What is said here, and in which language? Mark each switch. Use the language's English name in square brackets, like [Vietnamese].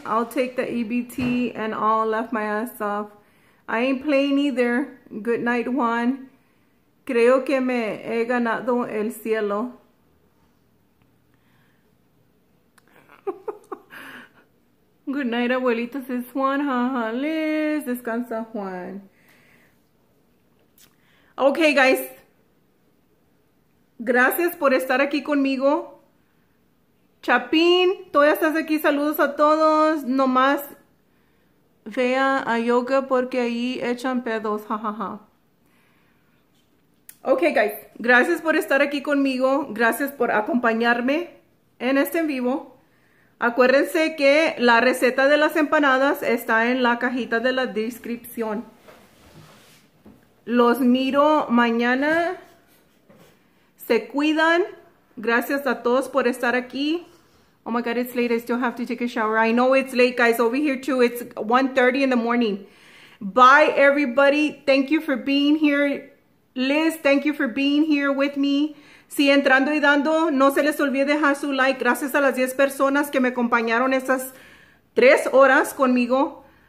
[English] I'll take the EBT and I'll laugh my ass off. I ain't playing either. Good night, Juan. [Spanish] Creo que me he ganado el cielo. Good night, abuelitos. Es Juan. Ha, ha, Liz. Descansa, Juan. [English] Okay, guys. [Spanish] Gracias por estar aquí conmigo. Chapín, todavía estás aquí. Saludos a todos. Nomás vea a yoga porque ahí echan pedos. Ja, ja, ja. Okay, guys. Gracias por estar aquí conmigo. Gracias por acompañarme en este en vivo. Acuérdense que la receta de las empanadas está en la cajita de la descripción. Los miro mañana. Se cuidan. Gracias a todos por estar aquí. [English] Oh my God, it's late. I still have to take a shower. I know it's late, guys. Over here too. It's 1:30 in the morning. Bye, everybody. Thank you for being here. Liz, thank you for being here with me. [Spanish] Sí, entrando y dando, no se les olvide dejar su like. Gracias a las 10 personas que me acompañaron estas 3 horas conmigo.